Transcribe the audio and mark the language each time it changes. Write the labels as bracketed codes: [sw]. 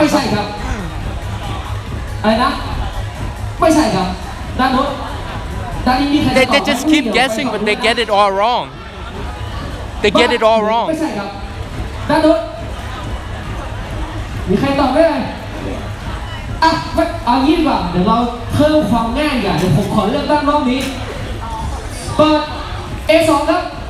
[th] ไม่ใช่ครับอะไรนะไม่ใช่ครับด้านรถ [en] They just keep guessing but they get it all wrong. They get it all wrong. [th] ไม่ใช่ครับด้านรถมีใครตอบไหมอ่ะเอางี้ดีกว่าเดี๋ยวเราเพิ่มความง่ายอย่างเดี๋ยวผมขอเลือกด้านรอบนี้เปิด A 2ครับ